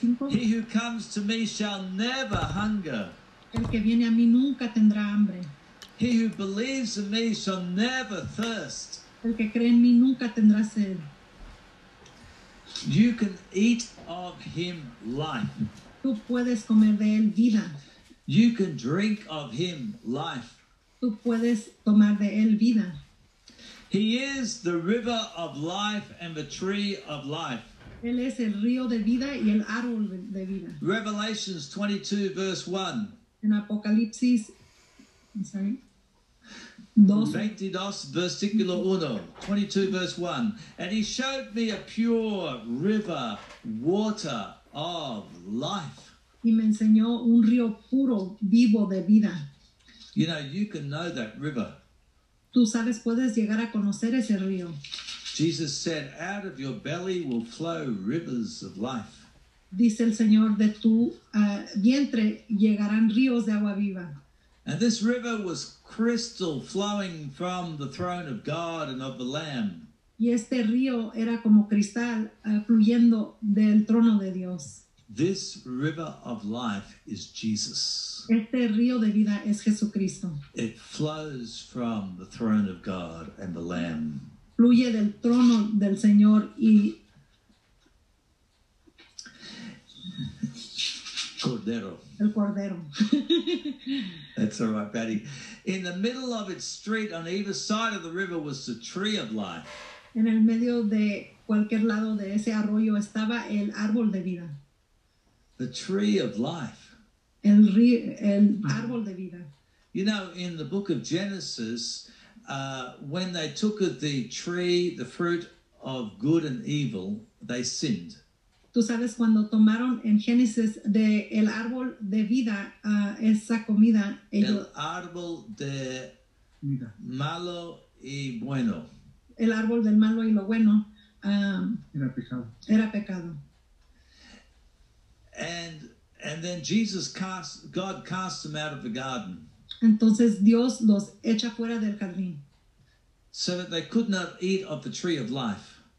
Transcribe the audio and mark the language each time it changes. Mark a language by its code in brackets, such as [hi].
[en] He who comes to me shall never hunger. [es] El que viene a mí nunca tendrá hambre. [en] He who believes in me shall never thirst. [es] El que cree en mí nunca tendrá sed. [en] You can eat of him life. [es] Tú puedes comer de él vida. [en] You can drink of him life. [es] Tú puedes tomar de él vida. [en] He is the river of life and the tree of life. [es] Él es el río de vida y el árbol de vida. [en] Revelations 22, verse 1. [es] En Apocalipsis, [en] I'm sorry. [es] 22, versículo 1. [en] 22, verse 1. And he showed me a pure river, water of life. [es] Y me enseñó un río puro, vivo de vida. [en] You know, you can know that river. [es] Tú sabes, puedes llegar a conocer ese río. [en] Jesus said, out of your belly will flow rivers of life. [es] Dice el Señor, de tu vientre llegarán ríos de agua viva. [en] And this river was crystal, flowing from the throne of God and of the Lamb. [es] Y este río era como cristal, fluyendo del trono de Dios. [en] This river of life is Jesus. [es] Este río de vida es Jesucristo. [en] It flows from the throne of God and the Lamb. [es] Fluye del trono del Señor y Cordero. El Cordero. [en] That's all right, Patty. In the middle of its street, on either side of the river, was the tree of life. [es] En el medio de cualquier lado de ese arroyo estaba el árbol de vida. [en] The tree of life. [es] El árbol de vida. [en] You know, in the book of Genesis, when they took of the tree, the fruit of good and evil, they sinned. [es] Tú sabes, cuando tomaron en Génesis de el árbol de vida, esa comida. Ellos, el árbol de malo y bueno. El árbol del malo y lo bueno. Era pecado. Era pecado. [en] And then God casts them out of the garden. [es] Entonces Dios los echa fuera del jardín. [en] So that they could not eat of the tree of life.